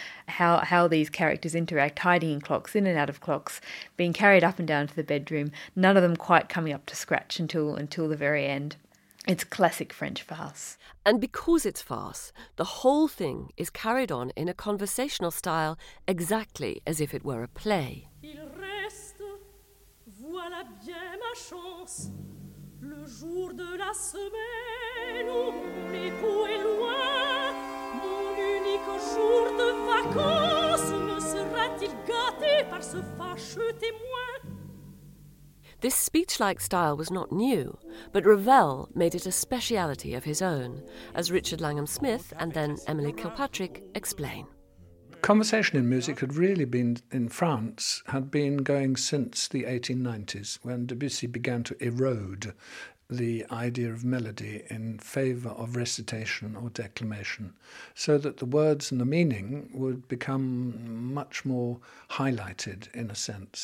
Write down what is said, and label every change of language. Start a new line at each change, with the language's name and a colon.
English: How these characters interact, hiding in clocks, in and out of clocks, being carried up and down to the bedroom, none of them quite coming up to scratch until the very end. It's classic French farce. And because it's farce, the whole thing is carried on in a conversational style exactly as if it were a play.
French: Il reste, voilà bien ma chance. Le jour de la semaine où l'époux est loin, mon unique jour de vacances, me sera-t-il gâté par ce fâcheux témoin?
English: This speech-like style was not new, but Ravel made it a speciality of his own, as Richard Langham Smith and then Emily Kilpatrick explain. Conversation in music had really been, in France, had been going since the 1890s, when Debussy began to erode the idea of melody in favour of recitation or declamation, so that the words and the meaning would become much more highlighted, in a sense.